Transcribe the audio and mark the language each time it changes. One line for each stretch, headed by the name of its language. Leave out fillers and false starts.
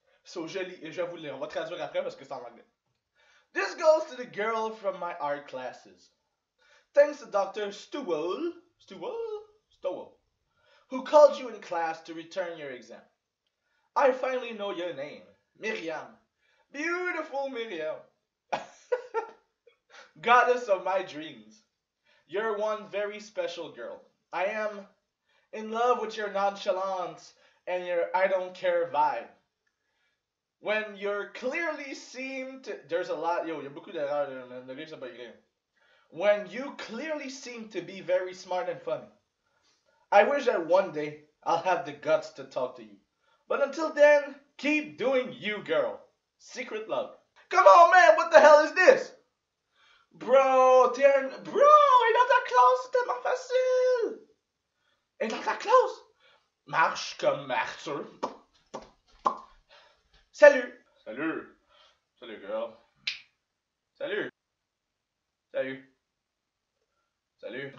French: So, je lis et je vous le lis. On va traduire après parce que c'est en anglais.
English: This goes to the girl from my art classes. Thanks to Dr. Stowell, who called you in class to return your exam. I finally know your name, Miriam. Beautiful Miriam. Goddess of my dreams. You're one very special girl. I am in love with your nonchalance and your I don't care vibe. When you're clearly seem to... There's a lot...
French: Yo, il y a beaucoup d'erreurs, man. Le livre, c'est pas écrit.
English: When you clearly seem to be very smart and funny. I wish that one day I'll have the guts to talk to you. But until then, keep doing you, girl. Secret love. Come on, man, what the hell is this?
French: Bro, t'es un... Bro, il est dans ta classe, c'est tellement facile. Il est dans ta classe. Marche comme Arthur. Salut. Salut. Salut, girl. Salut. Salut. Salut.